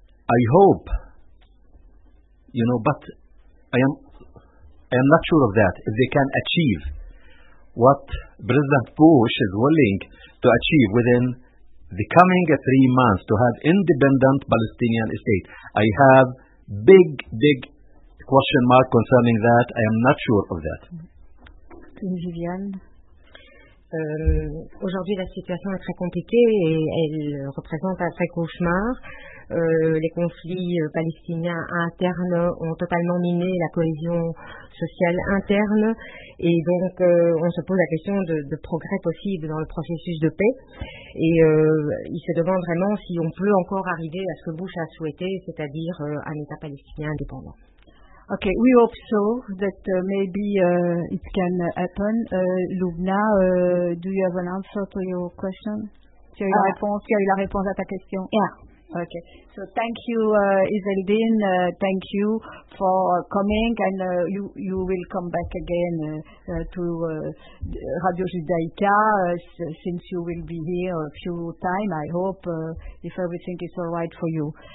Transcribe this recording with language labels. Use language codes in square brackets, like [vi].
[en] I hope, you know, but I am not sure of that, if they can achieve what President Bush is willing to achieve within the coming 3 months to have independent Palestinian state. I have big, big question mark concerning that. I am not sure of that. Viviane. [fr] Aujourd'hui, la situation est très compliquée et elle représente un vrai cauchemar. Les conflits palestiniens internes ont totalement miné la cohésion sociale interne et donc on se pose la question de progrès possible dans le processus de paix et il se demande vraiment si on peut encore arriver à ce que Bush a souhaité, c'est-à-dire un État palestinien indépendant. [en] Okay, we hope so that maybe it can happen. Lubna, do you have an answer to your question? [fr] Tu as eu la réponse? Tu as eu la réponse à ta question? [en] Yeah. Okay. So thank you, Iseldin. Thank you for coming, and you will come back again to Radio Judaica since you will be here a few times, I hope, if everything is all right for you.